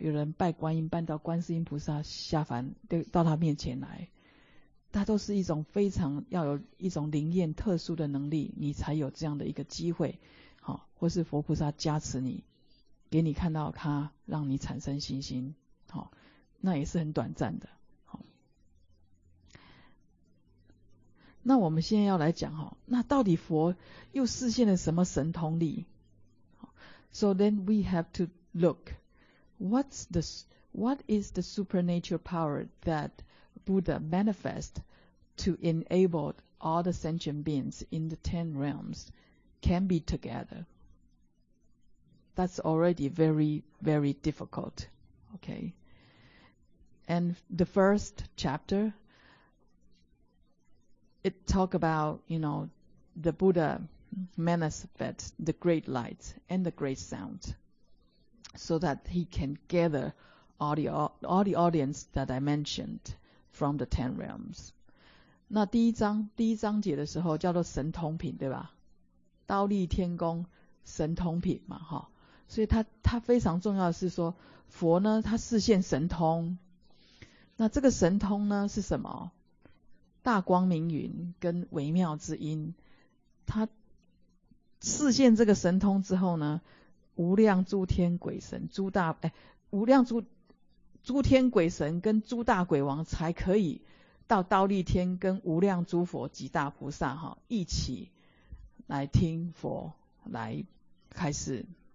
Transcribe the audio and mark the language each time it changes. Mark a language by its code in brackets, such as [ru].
[zh] 有人拜观音拜到观世音菩萨下凡，到他面前来，他都是一种非常要有一种灵验特殊的能力，你才有这样的一个机会，或是佛菩萨加持你，给你看到他，让你产生信心，那也是很短暂的。那我们现在要来讲，那到底佛又示现了什么神通力？ [en] So then we have to look, what is the supernatural power that Buddha manifest to enable all the sentient beings in the ten realms can be together? That's already very, very difficult. Okay. And the first chapter,It talk about, you know, the Buddha manifest the great light and the great sound so that he can gather all the audience that I mentioned from the ten realms. [zh] 那第一章节的时候叫做神通品，对吧？道立天宫神通品嘛，所以它非常重要的是说佛呢它示现神通。那这个神通呢是什么？大光明云跟微妙之音，他示现这个神通之后呢，无量诸天鬼神诸天鬼神跟诸大鬼王才可以到道立天跟无量诸佛及大菩萨一起来听佛来开示。